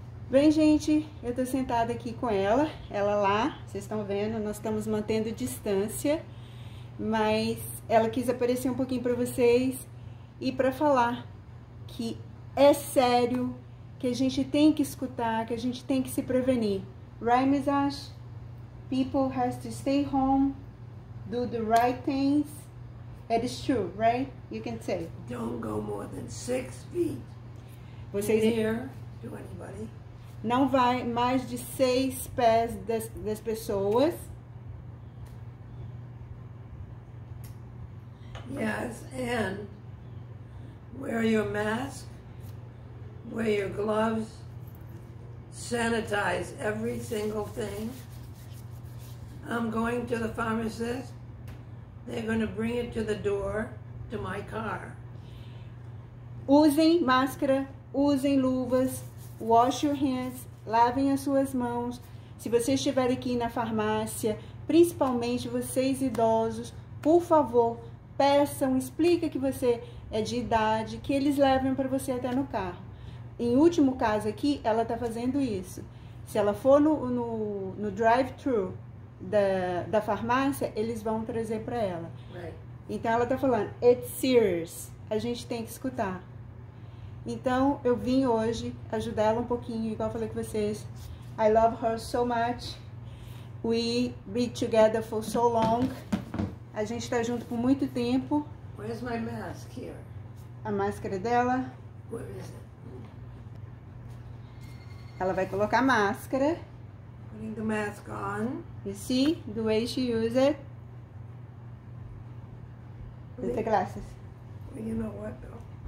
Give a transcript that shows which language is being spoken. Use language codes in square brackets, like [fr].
[pt] Bem, gente, eu tô sentada aqui com ela, ela lá, vocês estão vendo, nós estamos mantendo distância, mas ela quis aparecer um pouquinho para vocês e para falar que é sério, que a gente tem que escutar, que a gente tem que se prevenir. [en] Right, Ms. Ash? People have to stay home, do the right things. It is true, right? You can say. Don't go more than 6 feet. [pt] Vocês [en] near to anybody. [pt] Não vai mais de 6 pés das pessoas. [en] Yes, and wear your mask. Wear your gloves, sanitize every single thing. I'm going to the pharmacist. They're going to bring it to the door to my car. [pt] Usem máscara, usem luvas, [en] wash your hands, [pt] lavem as suas mãos. Se você estiver aqui na farmácia, principalmente vocês idosos, por favor, peçam, explica que você é de idade, que eles levem para você até no carro. Em último caso aqui, ela está fazendo isso. Se ela for no drive-thru da farmácia, eles vão trazer para ela. [en] Right. [pt] Então, ela está falando, [en] it's serious. [pt] A gente tem que escutar. Então, eu vim hoje ajudar ela um pouquinho, igual eu falei com vocês. [en] I love her so much. We be together for so long. [pt] A gente está junto por muito tempo. [en] Where's my mask here? [pt] A máscara dela. [en] Where is it? [pt] Ela vai colocar a máscara. [en] Putting the mask on. You see the way she uses it? With the glasses. Well, you know what though?